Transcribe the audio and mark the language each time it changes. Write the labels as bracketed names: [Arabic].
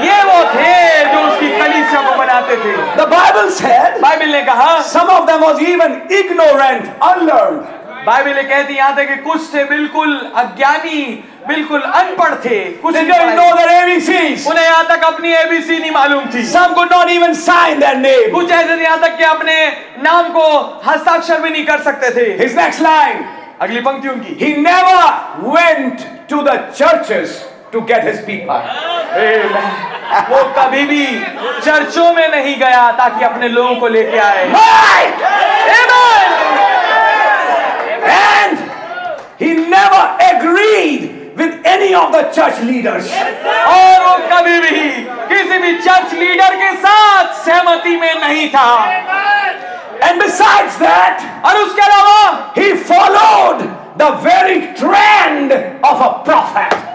[Hindi] ये वो थे जो उसकी कलीसिया को बनाते थे [English] the bible said [Hindi] बाइबल ने कहा [English] some of them was even ignorant unlearned [Hindi] Bible कहती यहां तक कि कुछ थे बिल्कुल अज्ञानी बिल्कुल अनपढ़ थे कुछ [English] didn't know their ABCs [Hindi] उन्हें यहां तक अपनी एबीसी नहीं मालूम थी [English] some could not even sign their name [Hindi] कुछ ऐसे थे यहां तक कि अपने नाम को हस्ताक्षर भी नहीं कर सकते थे [English] his next line [Hindi] अगली पंक्ति उनकी [English] he never went to the churches to get his people [Hindi] वो कभी भी चर्चों में नहीं गया ताकि अपने लोगों को लेके आए [English] amen and he never agreed with any of the church leaders [Hindi] और वो कभी भी किसी भी चर्च लीडर के साथ सहमति में नहीं था [English] And besides that, [Hindi] और उसके अलावा, [English] he followed the very trend of a prophet.